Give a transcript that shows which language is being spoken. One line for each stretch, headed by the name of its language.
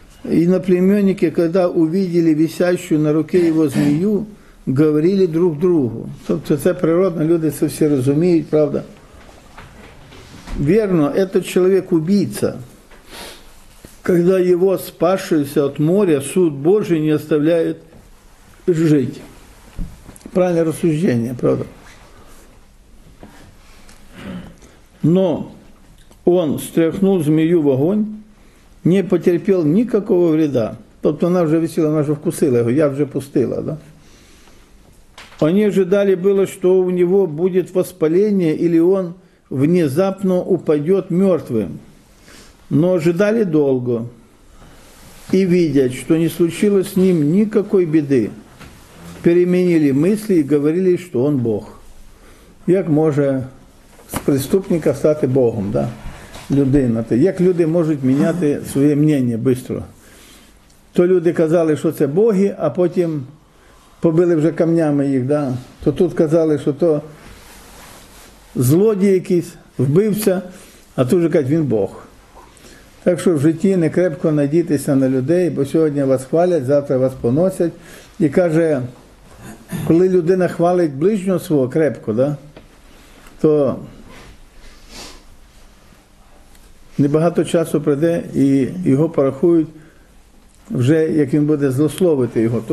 Ukrainian: Іноплемінники, коли увиділи висящую на руке його змію, говорили друг другу. Тобто це природно, люди це всі розуміють, правда? Вірно, цей чоловік убійця.
Russian: Когда его спасшийся от моря, суд Божий не оставляет жить. Правильное рассуждение, правда? Но он стряхнул змею в огонь, не потерпел никакого вреда. Тобто она уже висела, она уже вкусила его, я уже пустила. Да? Они ожидали было, что у него будет воспаление или он внезапно упадет мертвым. Но ожидали долго и видят, что не случилось с ним никакой беды, переменили мысли и говорили, что он Бог. Как может с преступника стать Богом, да? Людина. Как люди могут менять свое мнение быстро? То люди казали, что это боги, а потом побили уже камнями их, да?
Ukrainian: То тут казали, что то злодей якийсь, вбивця, а тут же кажуть, він Бог. Так що в житті не крепко надійтеся на людей, бо сьогодні вас хвалять, завтра вас поносять. І каже, коли людина хвалить ближнього свого крепко, да, то небагато часу прийде і його порахують вже, як він буде злословити його.